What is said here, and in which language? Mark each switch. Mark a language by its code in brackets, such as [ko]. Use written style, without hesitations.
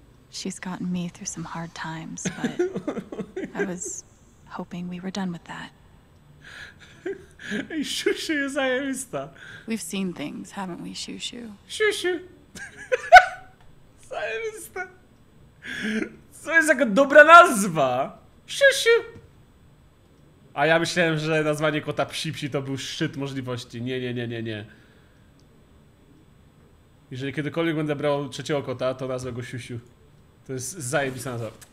[en] She's gotten me through some hard times, but I was hoping we were done with that. [pl] Ej, siusiu jest zajebista. [en] We've seen things, haven't we, siusiu? [pl] Siusiu! Zajebista! Co jest jaka dobra nazwa? Siusiu! A ja myślałem, że nazwanie kota psi to był szczyt możliwości. Nie. Jeżeli kiedykolwiek będę brał trzeciego kota, to nazwę go siusiu. To jest zajebista nazwa.